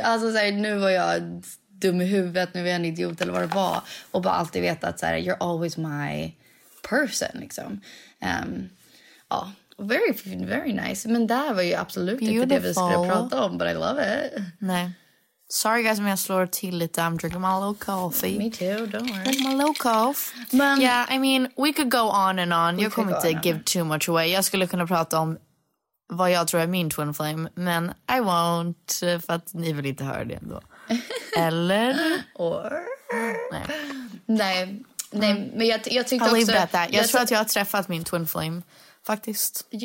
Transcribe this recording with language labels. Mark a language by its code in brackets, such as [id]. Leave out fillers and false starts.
[sv] Alltså så här, nu var jag dum i huvudet, nu är jag en idiot eller vad det var. Och bara alltid veta att så här, you're always my person, liksom. Ja, very, very nice. Men det var ju absolut [en] beautiful. [sv] Inte det vi skulle prata om, but I love it. Nej. Sorry guys, om jag slår till lite. [en] I'm drinking my little coffee. Me too, don't worry. My little coffee. Yeah, I mean, we could go on and on. Jag kommer inte give too much away. [sv] Jag skulle kunna prata om vad jag tror är min twin flame, men I won't, för att ni vill inte höra det ändå. Eller? [en] Or? [sv] Nej. Nej, nej, men jag tyckte [en] I'll I'll leave that. [sv] Jag tror att jag har träffat min twin flame, faktiskt.